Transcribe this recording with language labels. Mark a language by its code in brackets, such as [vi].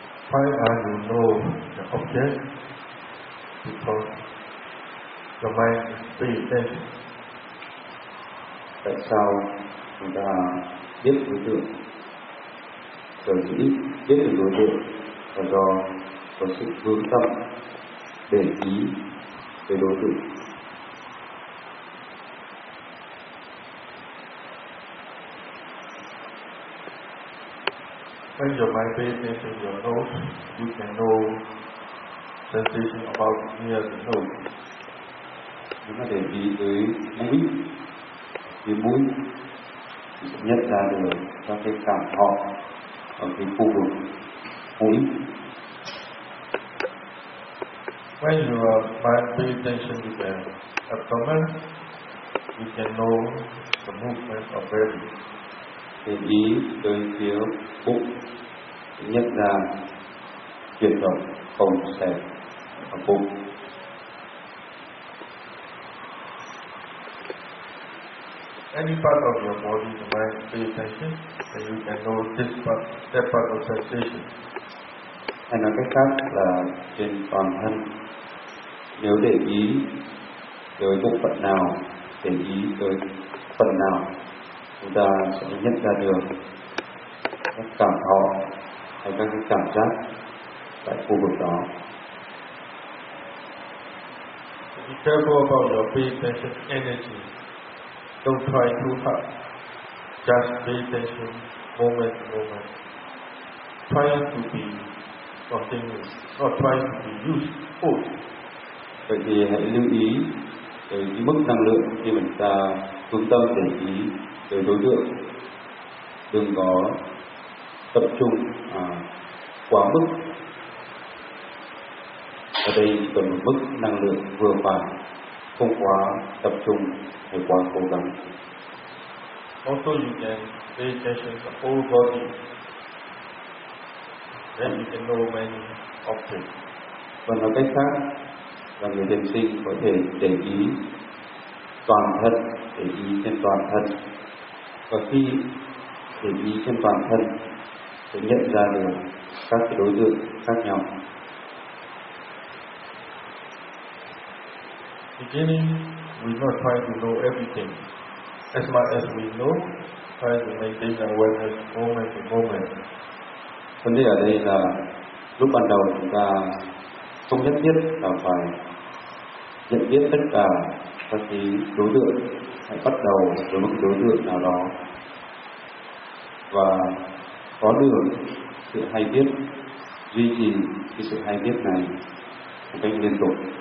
[en] Why are you know the object? Because the mind is free. [vi] Tại sao chúng ta biết đối tượng? Sở dĩ biết được đối tượng là do có sự hướng tâm để ý về đối tượng. [en] When your mind pays attention to your nose, you can know sensation about near the nose. [vi] Nếu mà để ý tới mũi, cái mũi thì sẽ nhận ra được các cái cảm thọ ở cái khu vực mũi. [en] when you are paying attention to the abdomen, you can know the movement of breath. [vi] Thì ý tới phía bụng nhận ra chuyển động không xẻ ở bụng. [en] Any part of your body, the mind, pay attention, and you can know this part, that part of sensation. [vi] Hay nói cách khác là trên toàn thân, nếu để ý tới bộ phận nào, để ý tới phần nào, chúng ta sẽ nhận ra được các cảm thọ hay các cái cảm giác tại khu vực đó. [en] Be careful about your pay attention energy. Don't try too hard. Just pay attention moment to moment. Try to be something else, not try to be useful. [vi] Vậy thì hãy lưu ý về cái mức năng lượng khi mình ta trung tâm để ý về đối tượng. Đừng có tập trung quá mức. Ở đây cần một mức năng lượng vừa phải, không quá tập trung hay quá cố gắng. [en] Also you can pay attention to the whole body. Then you can know many options. [vi] Và nói cách khác là người thiền sinh có thể để ý toàn thân, để ý trên toàn thân. Và khi để ý trên toàn thân sẽ nhận ra được các đối tượng khác nhau. [en] Beginning, we not try to know everything. As much as we know, try to maintain awareness moment to moment. [vi] Vấn đề ở đây là lúc ban đầu chúng ta không nhất thiết là phải nhận biết tất cả các cái đối tượng, hãy bắt đầu với một đối tượng nào đó và có được sự hay biết, duy trì cái sự hay biết này một cách liên tục.